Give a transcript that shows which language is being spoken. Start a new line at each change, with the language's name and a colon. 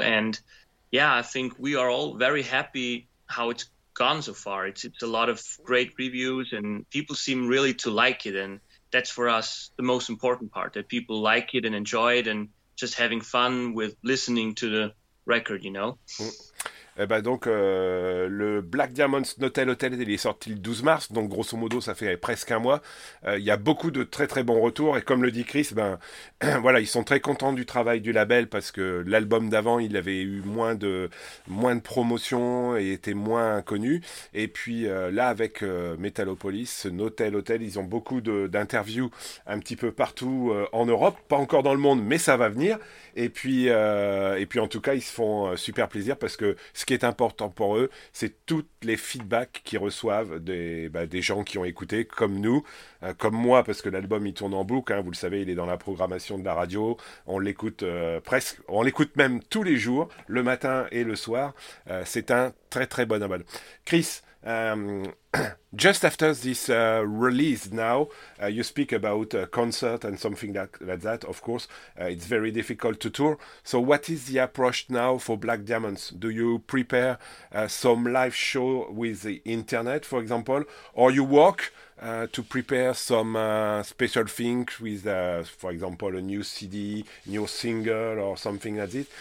English: And yeah, I think we are all very happy how it's gone so far. It's a lot of great reviews and people seem really to like it. And that's for us the most important part, that people like it and enjoy it and just having fun with listening to the record, you know.
French: Eh ben donc, le Black Diamond Snotel Hotel, il est sorti le 12 mars, donc grosso modo, ça fait presque un mois. Il y a beaucoup de très très bons retours, et comme le dit Chris, ben voilà, ils sont très contents du travail du label, parce que l'album d'avant, il avait eu moins de promotion et était moins connu. Et puis là, avec Metalopolis, Snotel Hotel, ils ont beaucoup d'interviews un petit peu partout en Europe, pas encore dans le monde, mais ça va venir. Et puis en tout cas, ils se font super plaisir, parce que ce qui est important pour eux, c'est tous les feedbacks qu'ils reçoivent des gens qui ont écouté, comme nous, comme moi, parce que l'album, il tourne en boucle, hein, vous le savez, il est dans la programmation de la radio, on l'écoute presque, on l'écoute même tous les jours, le matin et le soir. C'est un très très bon album.
English: Chris, just after this release now, you speak about a concert and something like that. Of course, it's very difficult to tour. So, what is the approach now for Black Diamonds? Do you prepare some live show with the internet, for example, or you work to prepare some special things with, for example, a new CD, new single, or something like this?